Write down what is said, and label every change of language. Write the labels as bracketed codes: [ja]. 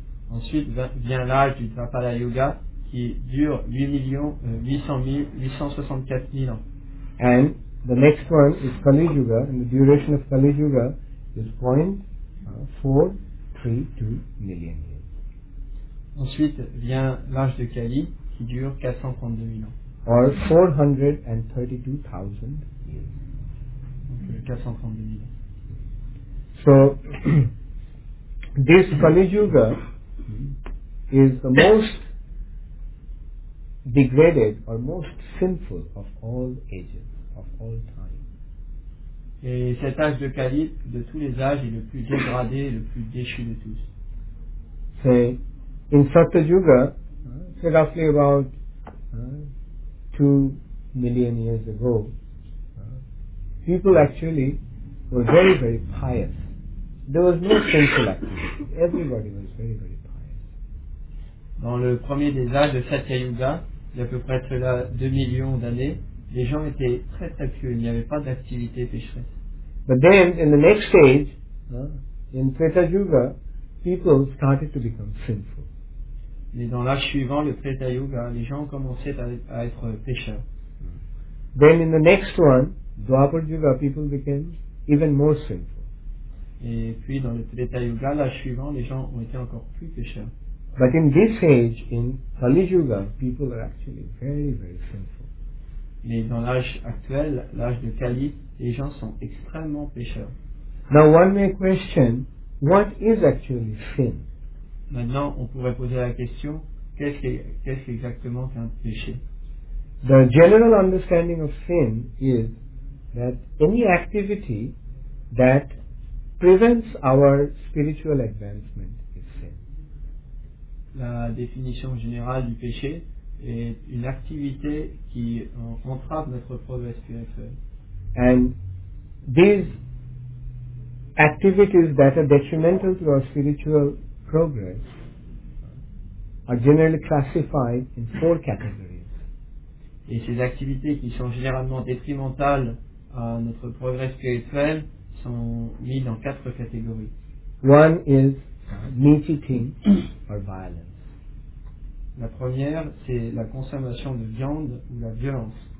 [fr] Ensuite vient l'âge du Dwapara Yuga qui dure 8 864 000 ans. [en] And the next one is Kali Yuga, and the duration of Kali Yuga is 0.432 million years. [fr] Ensuite vient l'âge de Kali qui dure 432 000 ans. [en] Or 432,000 years. [fr] Donc 432 000 ans. [en] So, this Kali Yuga is the most degraded or most sinful of all ages, of all time. [fr] Et cet âge de Kali, de tous les âges, est le plus dégradé, le plus déchu de tous. [en] Say, in Satya Yuga, say roughly about 2 million years ago, people actually were very, very pious. There was no sinful activity. Everybody was very, very. [fr] Dans le premier des âges de Satya Yuga, il y a à peu près cela 2 millions d'années, les gens étaient très très pieux, il n'y avait pas d'activité pécheresse. [en] But then, in the next stage, in Treta Yuga, people started to become sinful. [fr] Mais dans l'âge suivant, le Treta Yuga, les gens commençaient à être pécheurs. [en] Then in the next one, Dwapara Yuga, people became even more sinful. [fr] Et puis dans le Treta Yuga, l'âge suivant, les gens ont été encore plus pécheurs. [en] But in this age, in Kali Yuga, people are actually very, very sinful. [fr] Mais dans l'âge actuel, l'âge de Kali, les gens sont extrêmement pécheurs. [en] Now one may question, what is actually sin? [fr] Maintenant, on pourrait poser la question, qu'est-ce exactement qu'un péché? [en] The general understanding of sin is that any activity that prevents our spiritual advancement. [fr] La définition générale du péché est une activité qui entrave notre progrès spirituel. [en] And these activities that are detrimental to our spiritual progress are generally classified in four categories. [fr] Et ces activités qui sont généralement détrimentales à notre progrès spirituel sont mises dans quatre catégories. [en] One is meat-eating or violence. [fr] La première, c'est la consommation de viande ou la violence.